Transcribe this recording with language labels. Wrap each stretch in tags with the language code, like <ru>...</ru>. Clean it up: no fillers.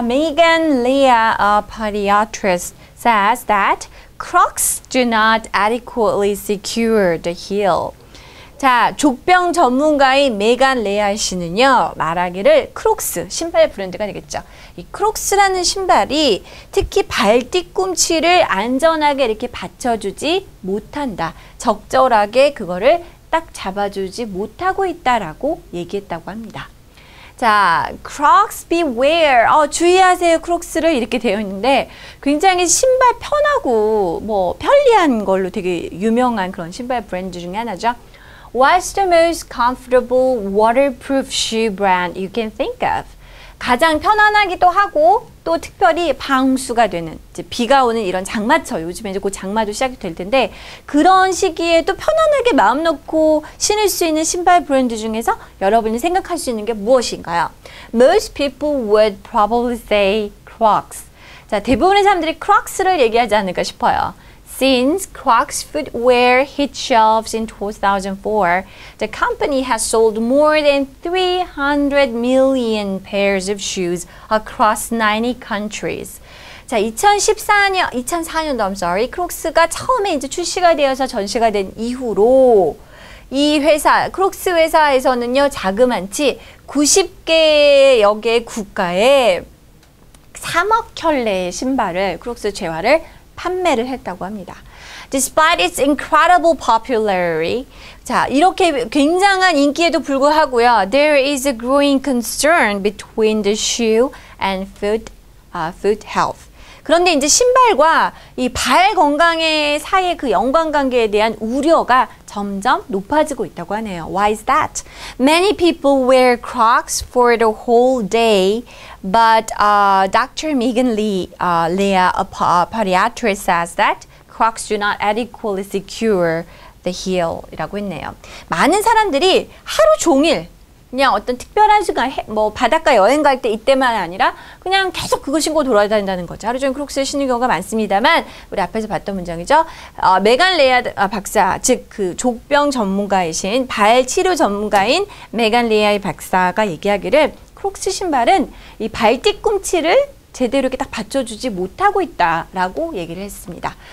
<en>Megan Leah, a podiatrist, says that Crocs do not adequately secure the heel.</en> <ko>자, 족병 전문가인 메간 레아 씨는요, 말하기를 크록스, 신발 브랜드가 되겠죠. 이 크록스라는 신발이 특히 발 뒤꿈치를 안전하게 이렇게 받쳐주지 못한다. 적절하게 그거를 딱 잡아주지 못하고 있다라고 얘기했다고 합니다.</ko> <en>자, Crocs beware.</en> <ko>주의하세요, 크록스를 이렇게 되어 있는데 굉장히 신발 편하고 뭐 편리한 걸로 되게 유명한 그런 신발 브랜드 중에 하나죠.</ko> <en>What's the most comfortable waterproof shoe brand you can think of?</en> <ko>가장 편안하기도 하고 또 특별히 방수가 되는 이제 비가 오는 이런 장마철, 요즘에 이제 곧 장마도 시작이 될 텐데 그런 시기에도 편안하게 마음 놓고 신을 수 있는 신발 브랜드 중에서 여러분이 생각할 수 있는 게 무엇인가요?</ko> <en>Most people would probably say Crocs.</en> <ko>자, 대부분의 사람들이 Crocs를 얘기하지 않을까 싶어요.</ko> <en>Since Crocs footwear hit shelves in 2004, the company has sold more than 300 million pairs of shoes across 90 countries.</en> <ko>자, 2004년도 크록스가 처음에 이제 출시가 되어서 전시가 된 이후로 이 회사, 크록스 회사에서는요, 자그만치 90개여 개 국가에 3억 켤레의 신발을, 크록스 재화를 판매를 했다고 합니다.</ko> <en>Despite its incredible popularity,</en> <ko>자, 이렇게 굉장한 인기에도 불구하고요,</ko> <en>there is a growing concern between the shoe and foot health.</en> <ko>그런데 이제 신발과 이 발 건강의 사이의 그 연관관계에 대한 우려가 점점 높아지고 있다고 하네요.</ko> <en>Why is that? Many people wear Crocs for the whole day, but Dr. Megan Leah, a podiatrist, says that Crocs do not adequately secure the heel.</en> <ko>이라고 했네요. 많은 사람들이 하루 종일 그냥 어떤 특별한 시간, 뭐 바닷가 여행 갈 때 이때만 아니라 그냥 계속 그거 신고 돌아다닌다는 거죠. 하루 종일 크록스를 신는 경우가 많습니다만, 우리 앞에서 봤던 문장이죠. 메간 레아 박사, 즉 그 족병 전문가이신 발 치료 전문가인 메간 레아의 박사가 얘기하기를 크록스 신발은 이 발 뒤꿈치를 제대로 이렇게 딱 받쳐주지 못하고 있다라고 얘기를 했습니다.</ko>